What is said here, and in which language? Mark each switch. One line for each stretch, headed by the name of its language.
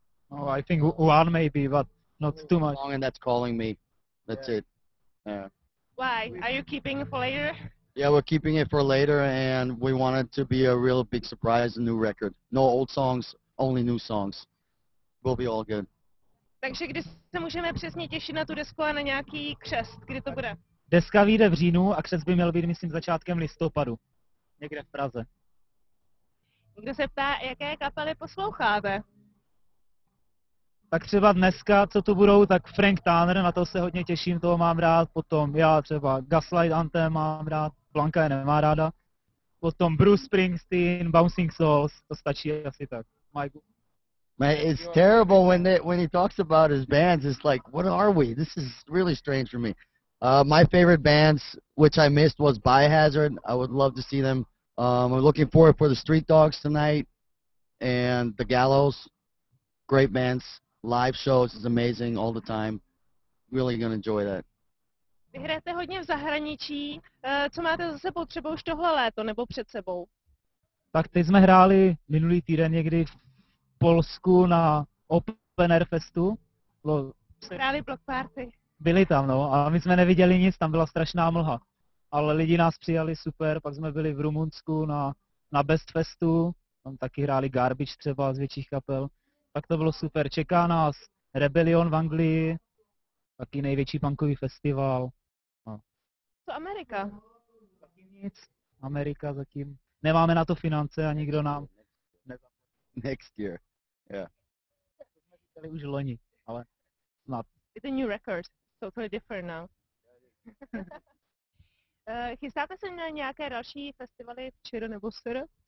English: Oh, I think one maybe, but not too much. Long and that's calling me. That's yeah. It. Yeah. Why? Are you keeping it for later? Yeah, we're keeping it for later, and we want it to be a real big surprise, a new record. No old songs, only new songs. We'll be all good.
Czech: Takže kdy se můžeme přesně těšit na tu desku a na nějaký křest? Kdy to bude? Deska vyjde v říjnu a křest by měl být, myslím, začátkem listopadu. Někde v Praze. Někdo se ptá, jaké kapely posloucháte? Tak třeba dneska, co tu budou, tak Frank Turner, na to se hodně těším, toho mám rád, potom já třeba Gaslight Anthem mám rád, Blanka je nemá ráda, potom Bruce Springsteen, Bouncing Souls, to stačí asi tak. Mike.
English: Man, it's terrible when he talks about his bands, it's like, what are we? This is really strange for me. My favorite bands, which I missed, was Biohazard, I would love to see them. I'm looking forward for the Street Dogs tonight, and the Gallows, great bands. Live shows is amazing all the time. Really gonna enjoy that.
Czech: Vy hrajete hodně v zahraničí. Co máte za sebou, třeba už tohle léto nebo před sebou? Tak teď jsme hráli minulý týden někdy v Polsku na Open Air Festu. Hráli block party. Byli tam, no, a my jsme neviděli nic, tam byla strašná mlha. Ale lidi nás přijali super, pak jsme byli v Rumunsku na Best Festu, tam taky hráli Garbage třeba z větších kapel, tak to bylo super. Čeká nás Rebellion v Anglii, taky největší punkový festival. No. To Amerika? Taky nic, Amerika zatím. Nemáme na to finance a nikdo nám...
English: Next year, yeah.
Czech: To jsme říkali už loni, ale snad.
English: It's a new record, totally different now.
Czech: Chystáte se na nějaké další festivaly v ČR nebo SR?